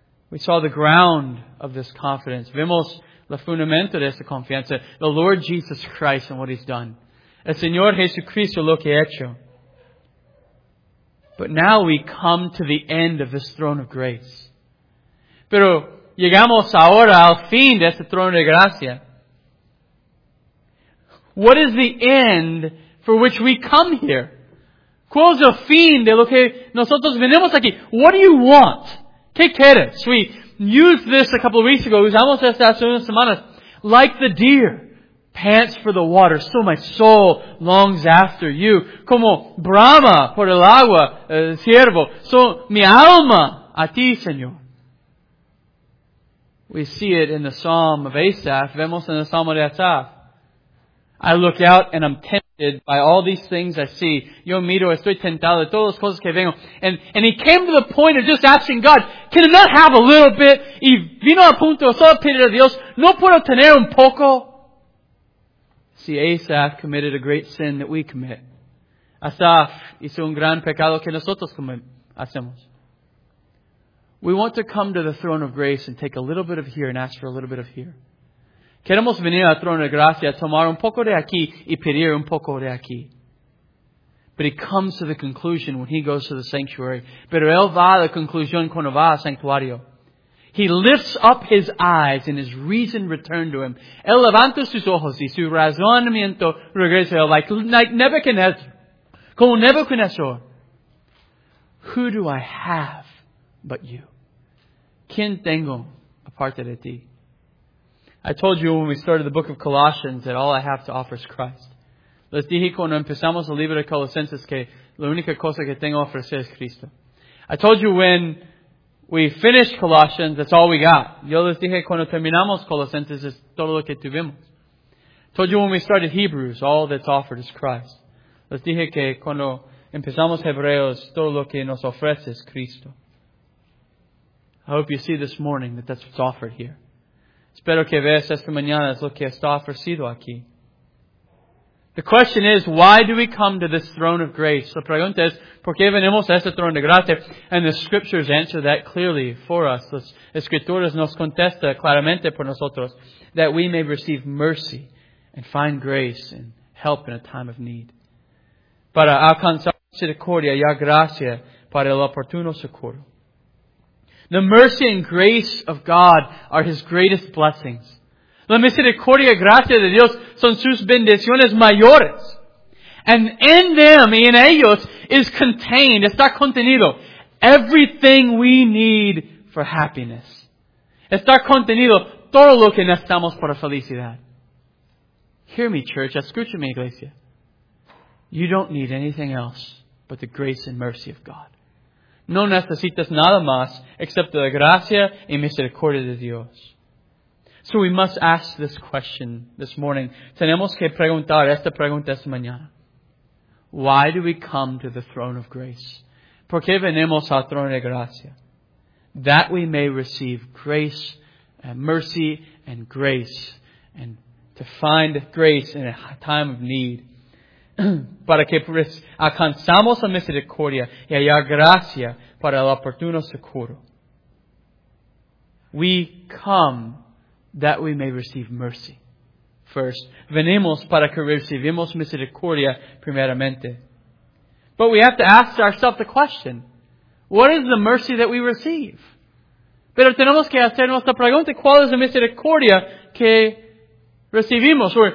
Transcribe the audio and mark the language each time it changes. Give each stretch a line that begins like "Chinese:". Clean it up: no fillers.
English: We saw the ground of this confidence.
Spanish: Vemos el fundamento de esta confianza,
English: the Lord Jesus Christ and what He's done.
Spanish: El Señor Jesucristo lo que ha hecho.
English: But now we come to the end of this throne of grace.
Spanish: Pero llegamos ahora al fin de este trono de gracia.
English: What is the end for which we come here?
Spanish: ¿Cuál es el fin de lo que nosotros venimos aquí?
English: What do you want?
Spanish: ¿Qué quieres?
English: We used this a couple of weeks ago.
Spanish: Usamos esta hace unas semanas.
English: Like the deer pants for the water, so my soul longs after you.
Spanish: Como brama por el agua, siervo, so mi alma a ti, Señor.
English: We see it in the Psalm of Asaph.
Spanish: Vemos en el Salmo de Asaph.
English: I look out and I'm tempted by all these things I see.
Spanish: Yo miro, estoy tentado de todas las cosas que vengo.
English: And he came to the point of just asking God, can I not have a little bit?
Spanish: Y vino a punto, solo pedir a Dios, no puedo tener un poco.
English: See, Asaph committed a great sin that we commit.
Spanish: Asaph hizo un gran pecado que nosotros hacemos.
English: We want to come to the throne of grace and take a little bit of here and ask for a little bit of here.
Spanish: Queremos venir al trono de gracia, tomar un poco de aquí y pedir un poco de aquí.
English: But he comes to the conclusion when he goes to the sanctuary.
Spanish: Pero él va a la conclusión cuando va al santuario.
English: He lifts up his eyes and his reason returned to him.
Spanish: Él levanta sus ojos y su razonamiento regresa a él.
English: Like Nebuchadnezzar.
Spanish: Como Nebuchadnezzar.
English: Who do I have but you?
Spanish: ¿Quién tengo aparte de ti?
English: I told you when we started the book of Colossians that all I have to offer is Christ.
Spanish: Les dije cuando empezamos el libro de Colosenses que la única cosa que tengo a ofrecer es Cristo.
English: I told you when we finished Colossians, that's all we got.
Spanish: Yo les dije cuando terminamos Colosenses es todo lo que tuvimos.
English: I told you when we started Hebrews, all that's offered is Christ.
Spanish: Les dije que cuando empezamos Hebreos, todo lo que nos ofrece es Cristo.
English: I hope you see this morning that that's what's offered here.
Spanish: Espero que veas esta mañana lo que está ofrecido aquí.
English: The question is, why do we come to this throne of grace?
Spanish: La pregunta es, ¿por qué venimos a este trono de gracia?
English: And the scriptures answer that clearly for us.
Spanish: Las escrituras nos contesta claramente por nosotros
English: that we may receive mercy and find grace and help in a time of need.
Spanish: Para alcanzar misericordia y gracia para el oportuno socorro.
English: The mercy and grace of God are His greatest blessings.
Spanish: La misericordia y gracia de Dios son sus bendiciones mayores.
English: And in them,
Spanish: y en ellos,
English: is contained,
Spanish: está contenido,
English: everything we need for happiness.
Spanish: Está contenido todo lo que necesitamos para felicidad.
English: Hear me, church.
Spanish: Escúchame, iglesia.
English: You don't need anything else but the grace and mercy of God.
Spanish: No necesitas nada más excepto la gracia y misericordia de Dios.
English: So we must ask this question this morning.
Spanish: Tenemos que preguntar esta pregunta esta mañana.
English: Why do we come to the throne of grace?
Spanish: ¿Por qué venimos al trono de gracia?
English: That we may receive grace and mercy and grace and to find grace in a time of need.
Spanish: Para que alcanzamos la misericordia y haya gracia para el oportuno socorro.
English: We come that we may receive mercy.
Spanish: First, venimos para que recibimos misericordia primeramente.
English: But we have to ask ourselves the question, what is the mercy that we receive?
Spanish: Pero tenemos que hacernos la pregunta, ¿cuál es la misericordia que recibimos?